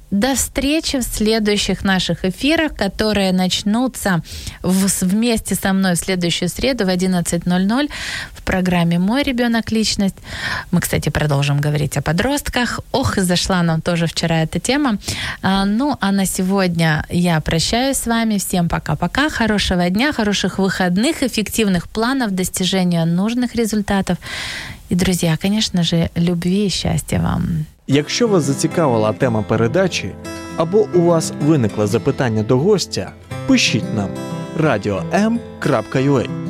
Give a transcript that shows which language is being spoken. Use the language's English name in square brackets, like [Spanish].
[Russian] До встречи в следующих наших эфирах, которые начнутся вместе со мной в следующую среду в 11:00 в программе «Мой ребенок. Личность». Мы, кстати, продолжим говорить о подростках. Ох, и зашла нам тоже вчера эта тема. Ну, а на сегодня я прощаюсь с вами. Всем пока-пока. Хорошего дня, хороших выходных, эффективных планов достижения нужных результатов. [Ukrainian] І, друзі, звісно ж, любові і щастя вам. Якщо вас зацікавила тема передачі або у вас виникло запитання до гостя, пишіть нам radio.m.ua.